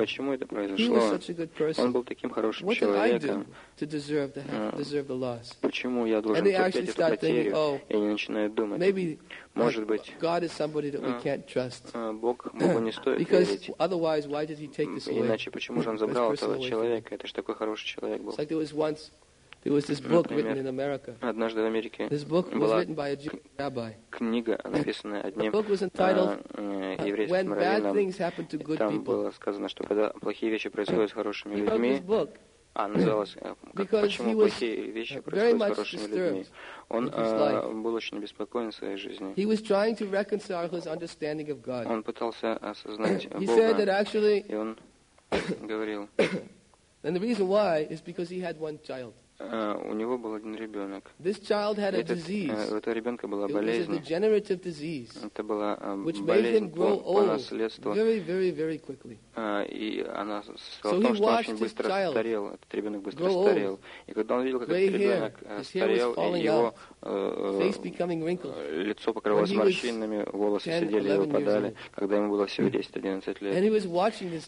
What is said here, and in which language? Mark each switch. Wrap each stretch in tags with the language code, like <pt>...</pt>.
<en>He was such a good person. What did I do to deserve the loss? And they actually start thinking, oh, maybe God is somebody that we can't trust. Because otherwise, why did he take this away?</en> <ru>Иначе почему же он забрал этого человека? Это ж такой хороший человек был.</ru> <en>It's like there was once. There was this book written in America.</en> <ru>Однажды в Америке.</ru> <en>This book was written by a Jewish rabbi.</en> <ru>Книга, написанная одним.</ru> <en>The book was entitled</en> <ru>"When Bad Things Happen to Good People". Там было сказано, что когда плохие вещи происходят с хорошими людьми. А называлось почему плохие вещи происходят с хорошими людьми. Он был очень беспокоен в своей жизни.</ru> <en>He was trying to reconcile his understanding of God.</en> <ru>Он пытался осознать Бога.</ru> <en>He said that actually.</en> <ru>И он говорил.</ru> <en>And the reason why is because he had one child.</en> <ru>У него был один ребенок.</ru> <en>This child had a disease.</en> <ru>У этого ребенка была болезнь.</ru> <en>It was a degenerative disease.</en> <ru>Это была болезнь по наследству.</ru> <en>Very, very, very quickly.</en> <ru>И она стала потому, что очень быстро старел. Этот ребенок быстро старел. И когда он видел, как этот ребенок старел, и его лицо покрывалось морщинами, волосы сидели и выпадали, когда ему было всего 10-11 лет.</ru>